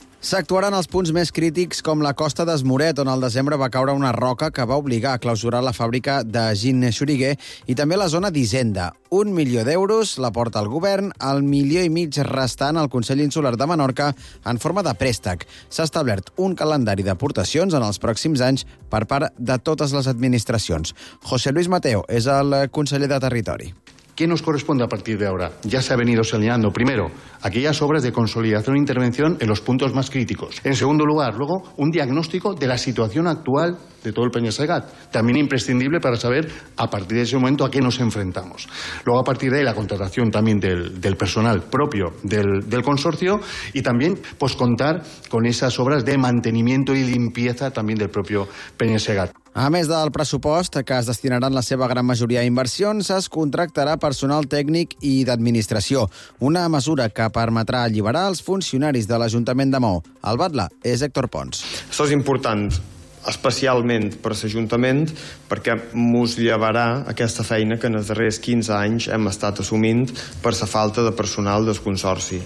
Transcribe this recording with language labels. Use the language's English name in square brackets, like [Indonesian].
[Catalan] S'actuaran els punts més crítics com la costa d'Esmoret, on al desembre va caure una roca que va obligar a clausurar la fàbrica de Ginne Xuriguer, i també la zona d'Hisenda. 1 milió d'euros la porta el govern, el 1,5 milió restant al Consell Insular de Menorca en forma de préstec. S'ha establert un calendari d'aportacions en els pròxims anys per part de totes les administracions. José Luis Mateo és el conseller de Territori. [Spanish] ¿Qué nos corresponde a partir de ahora? Ya se ha venido señalando, primero, aquellas obras de consolidación e intervención en los puntos más críticos. En segundo lugar, luego, un diagnóstico de la situación actual de todo el Peñasegat. También imprescindible para saber, a partir de ese momento, a qué nos enfrentamos. Luego, a partir de ahí, la contratación también del personal propio del consorcio y también, pues, contar con esas obras de mantenimiento y limpieza también del propio Peñasegat. [Catalan] A més del pressupost, que es destinarà en la seva gran majoria a inversions, es contractarà personal tècnic i d'administració, una mesura que permetrà alliberar els funcionaris de l'Ajuntament de Maó. El batle és Héctor Pons. Això és important, especialment per a l'Ajuntament, perquè mos llevarà aquesta feina que en els darrers 15 anys hem estat assumint per la falta de personal del consorci.